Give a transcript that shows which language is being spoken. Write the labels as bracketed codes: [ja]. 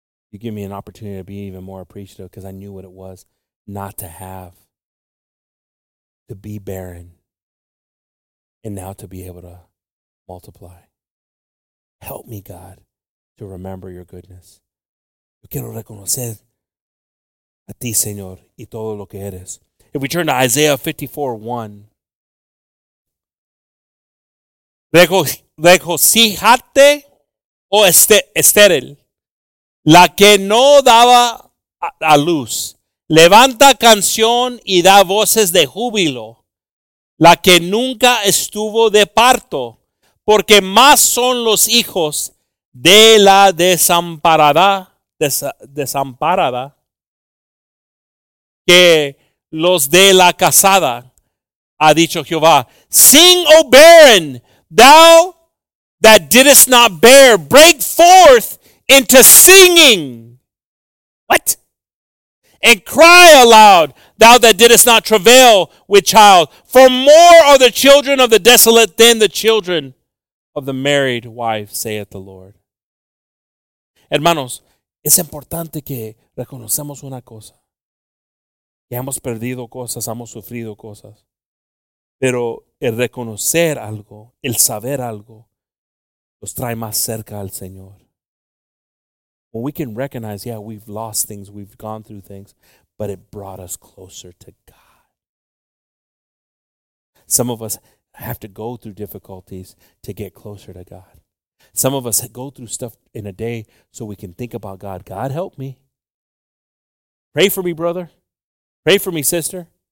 [en] You give me an opportunity to be even more appreciative because I knew what it was not to have, to be barren, and now to be able to multiply. Help me, God, to remember your goodness. [es] Yo quiero reconocer a ti, Señor, y todo lo que eres. If we turn to Isaiah 54:1, regocíjate, o estéril, la que no daba a luz. Levanta canción y da voces de júbilo, la que nunca estuvo de parto, porque más son los hijos de la desamparada que los de la casada, ha dicho Jehová. [en] Sing, O barren, thou that didst not bear, break forth into singing. What? And cry aloud, thou that didst not travail with child. For more are the children of the desolate than the children of the married wife, saith the Lord. [es] Hermanos, es importante que reconocemos una cosa. Que hemos perdido cosas, hemos sufrido cosas. Pero el reconocer algo, el saber algo, los trae más cerca al Señor. [en] When we can recognize, yeah, we've lost things, we've gone through things, but it brought us closer to God. Some of us have to go through difficulties to get closer to God. Some of us go through stuff in a day so we can think about God. God, help me. Pray for me, brother. Pray for me, sister.